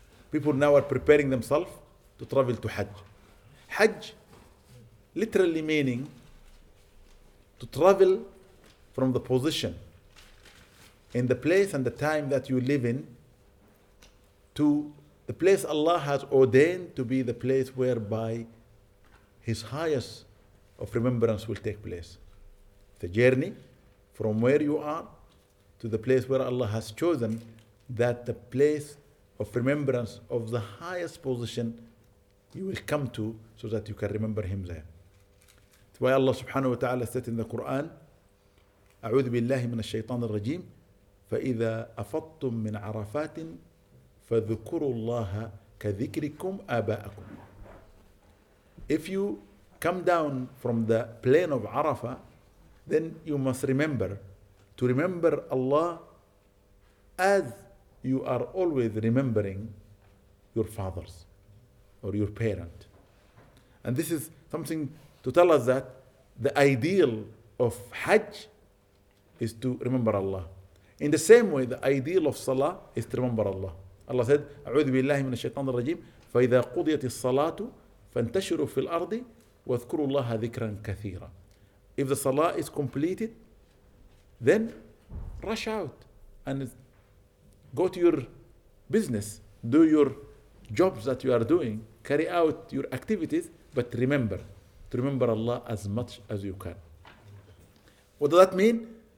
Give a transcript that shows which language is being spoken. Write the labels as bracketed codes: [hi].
[en] People now are preparing themselves to travel to Hajj. Hajj, literally meaning to travel from the position in the place and the time that you live in to the place Allah has ordained to be the place whereby His highest of remembrance will take place. The journey from where you are to the place where Allah has chosen that the place of remembrance of the highest position you will come to so that you can remember Him there. That's why Allah subhanahu wa ta'ala said in the Quran, [ar] أعوذ بالله من الشيطان الرجيم فإذا أفضتم من عرفات فذكروا الله كذكركم آباءكم. [en] If you come down from the plain of Arafah, then you must remember Allah as you are always remembering your fathers or your parent. And this is something to tell us that the ideal of Hajj is to remember Allah. In the same way, the ideal of Salah is to remember Allah. Allah said, [ar] أعوذ بالله من الشيطان الرجيم فإذا قضيت الصلاة فانتشروا في الأرض واذكروا الله ذكرا كثيرا. [en] If the Salah is completed, then rush out and go to your business, do your jobs that you are doing, carry out your activities, but remember Allah as much as you can. What does that mean?